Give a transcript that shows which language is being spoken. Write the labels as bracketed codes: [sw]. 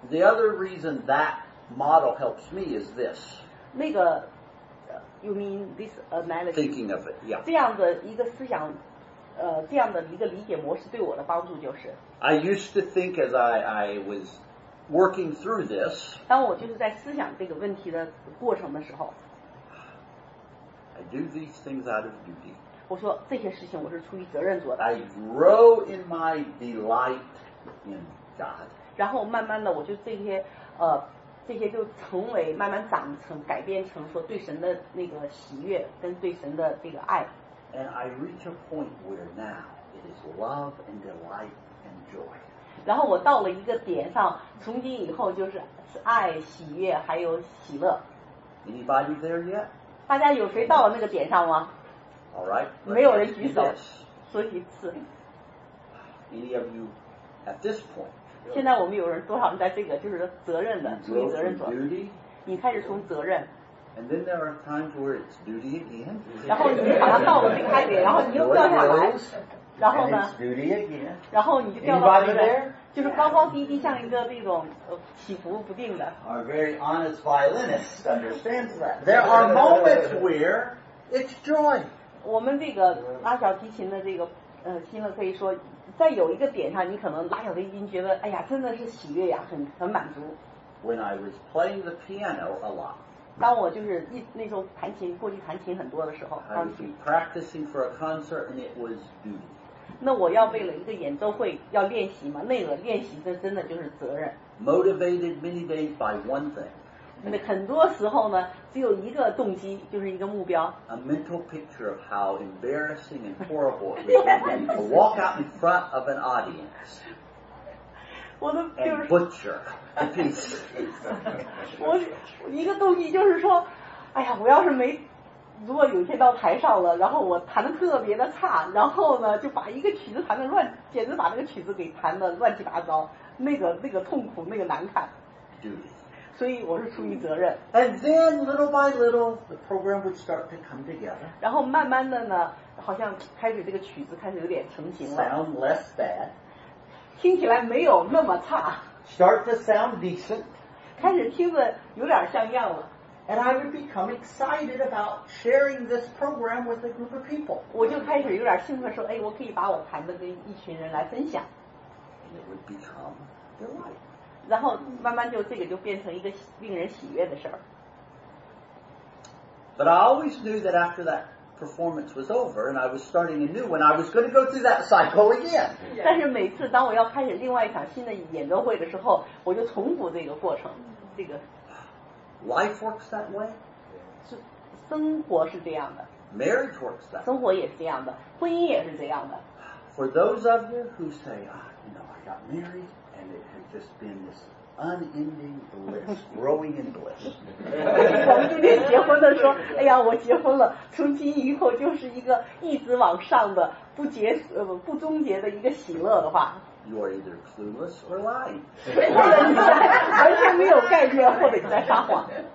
[en] The other reason that model helps me is this. 那个 ，you mean this analogy? Thinking of it, yeah. [zh] 这样的一个思想，这样的一个理解模式对我的帮助就是。 [en] I used to think as I was. Working through this, [zh] 当我就是在思想这个问题的过程的时候 [en] I do these things out of duty. [zh] 我说这些事情我是出于责任做的 [en] I grow in my delight in God. [zh] 然后慢慢的我就这些就成为慢慢长成改变成说对神的那个喜悦跟对神的这个爱 [en] And I reach a point where now it is love and delight and joy. [zh] 然后我到了一个点上，从今以后就是爱、喜悦还有喜乐。 [en] Anybody there yet? [zh] 大家有谁到了那个点上吗 [en] ？All right. [zh] 没有人举手，说几次。 [en] Any of you at this point? [zh] 现在我们有人多少人在这个就是责任的，出于责任做。 [en] Duty. [zh] 你开始从责任。 [en] And then there are times where it's duty again. [zh] 然后你把它倒了最开始，然后你又掉下来。然后呢 [en] And it's duty again. [zh] 然后你就掉到里面就是高高低低像一个那种起伏不定的 [en] Our very honest violinist understands that There are moments where it's joy [zh] 我们这个拉小提琴的这个听了可以说在有一个点上你可能拉小提琴觉得哎呀真的是喜悦呀很满足 [en] When I was playing the piano a lot [zh] 当我就是那时候弹琴过去弹琴很多的时候 [en] I was practicing for a concert and it was duty [zh] 那我要为了一个演奏会要练习吗那个练习这真的就是责任 [en] Motivated many days by one thing [zh] 那很多时候呢只有一个动机就是一个目标 [en] A mental picture of how embarrassing and horrible it would be to walk out in front of an audience [zh] 我的、就是、 [en] And butcher a piece [zh] 我一个动机就是说哎呀我要是没如果有一天到台上了然后我弹得特别的差然后呢就把一个曲子弹得乱简直把那个曲子给弹得乱七八糟那个痛苦那个难看 [en] Duty [zh] 所以我是出于责任 [en] And then little by little the program would start to come together [zh] 然后慢慢的呢好像开始这个曲子开始有点成型了 [en] Sound less bad [zh] 听起来没有那么差 [en] Start to sound decent [zh] 开始听着有点像样了 [en] And I would become excited about sharing this program with a group of people. [zh] 我就开始有点兴奋说哎我可以把我弹的跟一群人来分享。 [en] And it would become delight. [zh] 然后慢慢就这个就变成一个令人喜悦的事儿。 [en] But I always knew that after that performance was over and I was starting a new one, I was going to go through that cycle again. [zh] 但是每次当我要开始另外一场新的演奏会的时候我就重复这个过程这个。 [en] Life works that way. [zh] 生活是这样的。 [en] Marriage works that way. [zh] 生活也是这样的，婚姻也是这样的。 [en] For those of you who say, you know, I got married and it has just been this unending bliss, growing in bliss. [zh] 我们今天结婚的说，哎呀，我结婚了，从今以后就是一个一直往上的不结不终结的一个喜乐的话。 [en] You are either clueless or lying. [zh] 或者你在完全没有概念，或者你在撒谎。